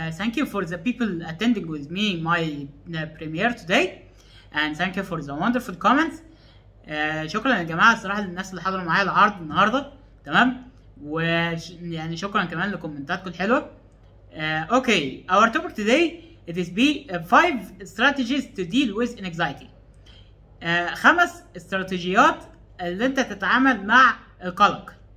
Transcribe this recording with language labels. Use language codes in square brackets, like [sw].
[en] Thank you for the people attending with me my premiere today. And thank you for the wonderful comments. [ar] شكرا يا جماعة صراحة للناس اللي حضروا معايا العرض النهاردة. تمام؟ يعني شكرا كمان لكومنتاتكم الحلوة. [en] Okay, our topic today it is be five strategies to deal with anxiety. [ar] خمس استراتيجيات اللي انت تتعامل مع القلق.